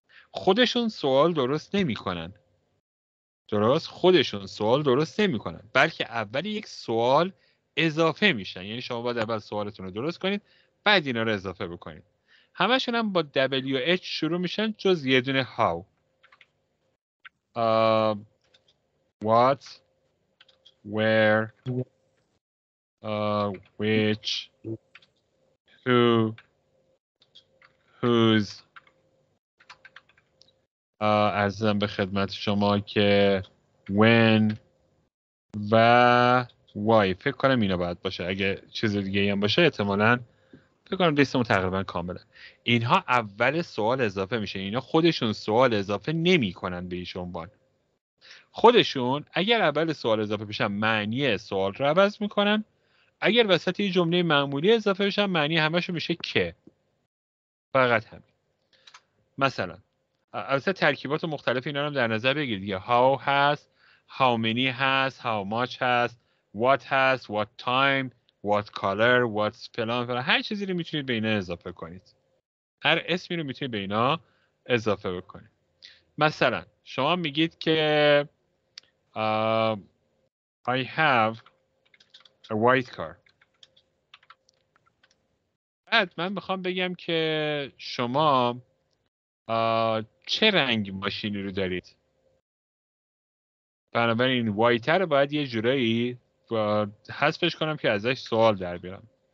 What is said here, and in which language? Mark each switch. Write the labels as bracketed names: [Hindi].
[Persian] خودشون سوال درست نمیکنن. درست؟ خودشون سوال درست نمیکنن، بلکه اول یک سوال اضافه میشن. یعنی شما باید اول سوالتون رو درست کنید، بعد اینا رو اضافه بکنید. همشون هم با W H شروع میشن جز یه دونه how. [English] What, where, which, who, whose. [Persian] عزیزم به خدمت شما که when و why. فکر کنم اینا باید باشه. اگه چیز دیگه ای هم باشه احتمالاً فکر کنم لیستمون تقریبا کامله. اینها اول سوال اضافه میشه. اینا خودشون سوال اضافه نمی کنن به ایش عنوان. خودشون اگر اول سوال اضافه بشن معنی سوال رو عوض میکنن. اگر وسط یه جمله معمولی اضافه بشن معنی همشو میشه که. فقط همین. مثلا البته ترکیبات مختلف اینا رو در نظر بگیرید. How هست، How many هست، How much هست، What هست، What time، What color، What فلان فلان. هر چیزی رو میتونید به اینا اضافه کنید. هر اسمی رو میتونید به اینا اضافه بکنید. مثلا شما میگید که [English] I have a white car. [Persian] بعد من میخوام بگم که شما چه رنگ ماشینی رو دارید. بنابراین white رو باید یه جورایی حذفش کنم که ازش سوال در بیارم.